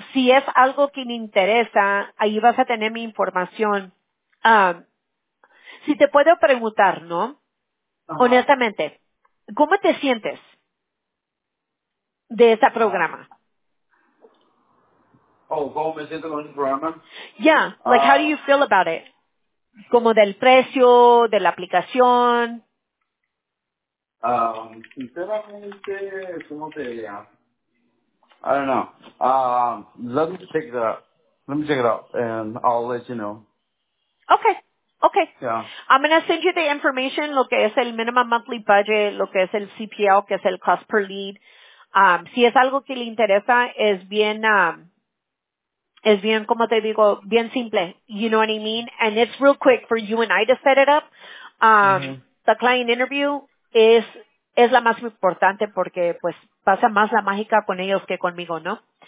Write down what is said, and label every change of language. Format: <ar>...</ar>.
<es>Si es algo que me interesa, ahí vas a tener mi información. Si te puedo preguntar, ¿no? Ajá. Honestamente, ¿cómo te sientes de este programa? Oh, ¿cómo me siento con este programa?</es> <en>Yeah, like how do you feel about it?</en> <es>Como del precio, de la aplicación. Sinceramente, ¿cómo te diría?</es> <en>I don't know. Let me check it out, and I'll let you know. Okay. Okay. Yeah. I'm gonna send you the information.</en> <es>Lo que es el</es> <en>minimum monthly budget,</en> <es>lo que es el CPL, que es el</es> <en>cost per lead.</en> <es>Si es algo que le interesa, es bien, como te digo, bien simple.</es> <en>You know what I mean? And it's real quick for you and I to set it up. The client interview</en> <es>es la más importante porque, pues, pasa más la mágica con ellos que conmigo, ¿no?</es>